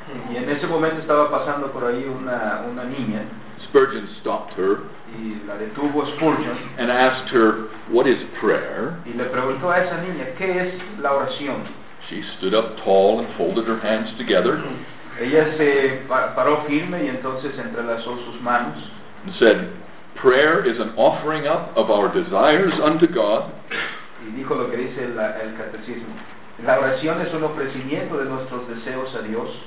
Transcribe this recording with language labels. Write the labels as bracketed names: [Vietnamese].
[Spanish] Y en ese momento estaba pasando por ahí una niña. [English] Spurgeon stopped her. [Spanish] Y la detuvo Spurgeon. [English] And asked her, "What is prayer?" [Spanish] Y le preguntó a esa niña, ¿qué es la oración? [English] She stood up tall and folded her hands together. [Spanish] Ella se paró firme y entonces entrelazó sus manos. [English] And said, "Prayer is an offering up of our desires unto God." [Spanish] Y dijo lo que dice el catecismo. La oración es un ofrecimiento de nuestros deseos a Dios.